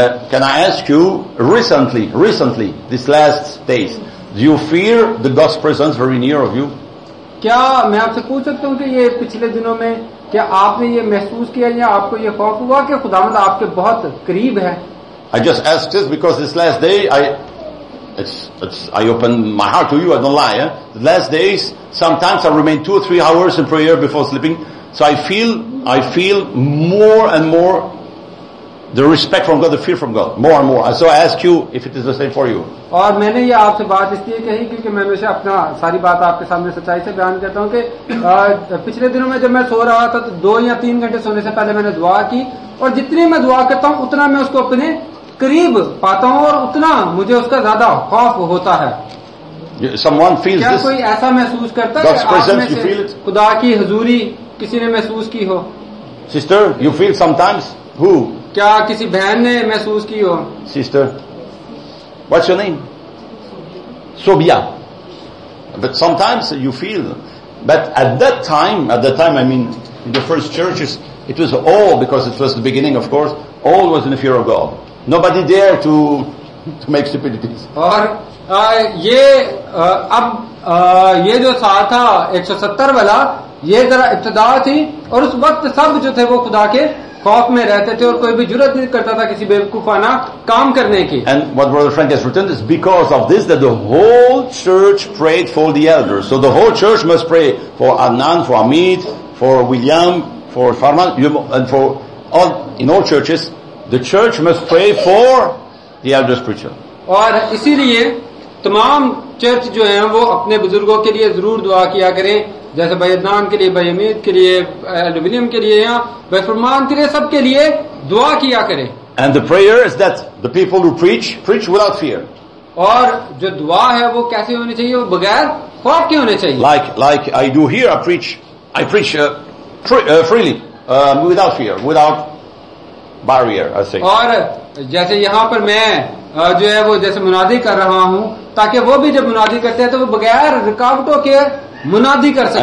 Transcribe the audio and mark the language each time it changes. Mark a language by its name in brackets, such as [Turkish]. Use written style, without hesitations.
[English] Can I ask you recently these last days, do you fear the God's presence very near of you? [Hindi] क्या मैं आपसे पूछ सकता हूं कि ये पिछले दिनों में क्या आपने ये महसूस किया या आपको ये खौफ हुआ कि खुदावंद आपके बहुत करीब है? [English] I just asked this because this last day I open my heart to you, I don't lie. The last days sometimes I remain 2 or 3 hours in prayer before sleeping, so I feel more and more the respect from God, the fear from God, more and more. So I ask you if it is the same for you. [Hindi] और मैंने ये आपसे बात इसलिए कही क्योंकि मैं हमेशा अपना सारी बात आपके सामने सच्चाई से बयान करता हूँ कि पिछले दिनों में जब मैं सो रहा था तो 2 या 3 घंटे सोने से पहले मैंने दुआ की और जितनी मैं दुआ करता हूँ उतना मैं उसको अपने करीब पाता हूँ और उतना मुझे उसका ज्यादा खौफ होता है. [English] Someone feels [Hindi] क्या कोई ऐसा महसूस करता है आप में से खुदा की हजूरी किसी ने महसूस की हो? [English] sister you feel sometimes हु [Hindi] क्या किसी बहन ने महसूस की हो? [English] Sister What's your name? Sobia. But sometimes you feel. But at that time, I mean, in the first churches, it was all, because it was the beginning, of course, all was in the fear of God. Nobody dared to make stupidities. [Hindi] और ये अब ये जो साल था 170 वाला, ये जरा इब्तिदा थी और उस वक्त सब जो थे वो खुदा के खौफ में रहते थे और कोई भी जरूरत नहीं करता था किसी बेवकूफाना काम करने की. [English] And what brother Frank has written is because of this that the whole church prayed for the elders. So the whole church must pray for Adnan, for Amit, for William, for Farman, and for all in all churches, the church must pray for the elders preacher. [Hindi] और इसीलिए तमाम church जो हैं वो अपने बुजुर्गों के लिए जरूर दुआ किया करें जैसे भाई अदनान के लिए भाई अमीद के लिए एल्यूमिनियम के लिए या भाई फरमान के लिए सबके लिए दुआ किया करें. [English] And the prayer is that the people who preach without fear. [Hindi] और जो दुआ है वो कैसे होनी चाहिए वो बगैर खौफ के होनी चाहिए. [English] Like I do here, I preach freely, without fear, without barrier, I say. [Hindi] और जैसे यहाँ पर मैं जो है वो जैसे मुनादी कर रहा हूँ ताकि वो भी जब मुनादी करते हैं तो वो बगैर रुकावटों के मुनादी कर सके.